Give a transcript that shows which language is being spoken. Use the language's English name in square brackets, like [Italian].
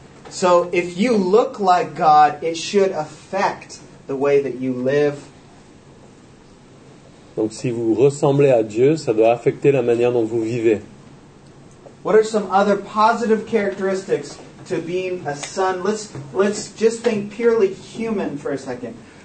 [English] So if you look like God, it should affect the way that you live. [French] Donc si vous ressemblez à Dieu, ça doit affecter la manière dont vous vivez. [English] What are some other positive characteristics to being a son? Let's just think purely human for a second.